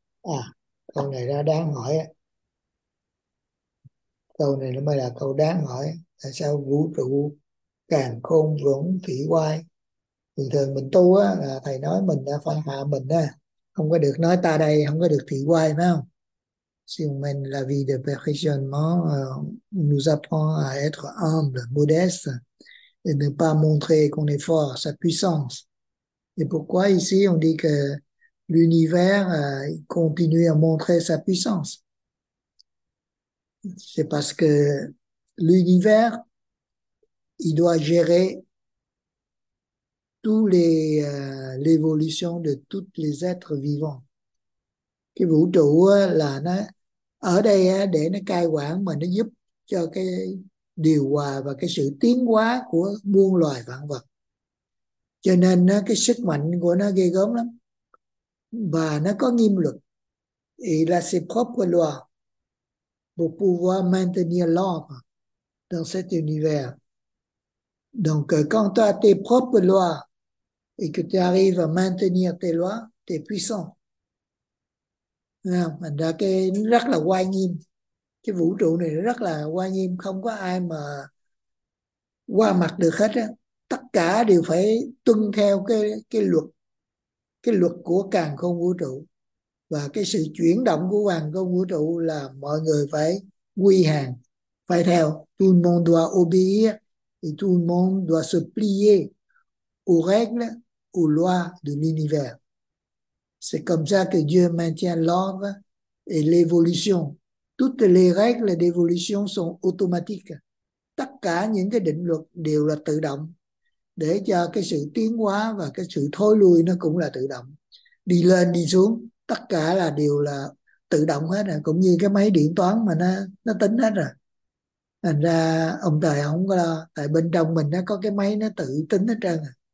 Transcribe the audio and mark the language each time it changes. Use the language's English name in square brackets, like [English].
[Vietnamese] À, câu này ra đáng hỏi. Câu này nó mới là câu đáng hỏi. Tại sao vũ trụ càn khôn vẫn thị oai? Thường thường mình tu á, là thầy nói mình đã phải hạ mình á. Không có được nói ta đây, không có được thị oai, phải không? [French] Si on mène la vie de perfectionnement, nous apprend à être humble, modeste, et ne pas montrer qu'on est fort, sa puissance. Et pourquoi ici on dit que l'univers continue à montrer sa puissance? C'est parce que l'univers, il doit gérer tous les l'évolution de tous les êtres vivants. [Vietnamese] Cái vũ trụ là nó ở đây để nó cai quản, mà nó giúp cho cái điều hòa và cái sự tiến hóa của muôn loài vạn vật. Cho nên cái sức mạnh của nó ghê gớm lắm. và nó có nghiêm luật. [French] Il a ses propres lois pour pouvoir maintenir l'ordre dans cet univers. Donc, quand tu as tes propres lois et que tu arrives à maintenir tes lois, tu es puissant. [Vietnamese] Mình đã cái rất là oai nghiêm. Cái vũ trụ này rất là oai nghiêm, không có ai mà qua mặt được hết á. Tất cả đều phải tuân theo cái luật của càn khôn vũ trụ. Và cái sự chuyển động của càn khôn vũ trụ là mọi người phải quy hàng, phải theo. [French] Tout le monde doit obéir et tout le monde doit se plier aux règles, aux lois de l'univers. C'est comme ça que Dieu maintient l'ordre et l'évolution. Toutes les règles d'évolution sont automatiques. [Vietnamese] Tất cả những cái định luật đều là tự động, để cho cái sự tiến hóa và cái sự thối lui nó cũng là tự động. Đi lên đi xuống, tất cả là đều là tự động hết rồi, cũng như cái máy điện toán mà nó tính hết rồi. Thành ra ông trời không có lo, tại bên trong mình nó có cái máy nó tự tính hết trơn à.